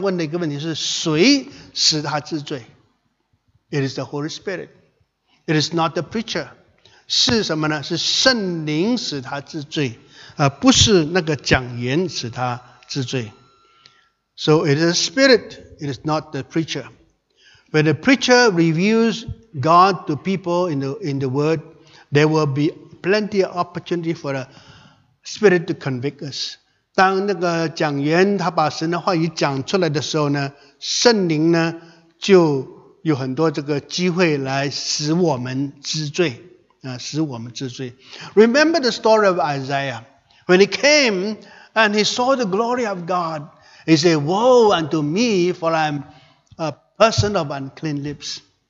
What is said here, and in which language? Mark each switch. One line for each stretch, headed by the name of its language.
Chinese: 是的，有人来参加聚会的时候，他们会觉得知罪，但是要问的一个问题是，谁使他知罪？
English: It is the Holy Spirit. It is not the preacher.
Chinese: 是什么呢？是圣灵使他知罪，不是那个讲言使他知罪。
English: So it is the Spirit. It is not the preacher. When the preacher reveals God to people in the Word, there will be plenty of opportunity for the Spirit to convict us.
Chinese: 当那个讲员他把神的话语讲出来的时候呢，圣灵呢就有很多这个机会来使我们知罪。
English: Remember the story of Isaiah. When he came and he saw the glory of God, he said, Woe unto me, for I am a person of unclean lips.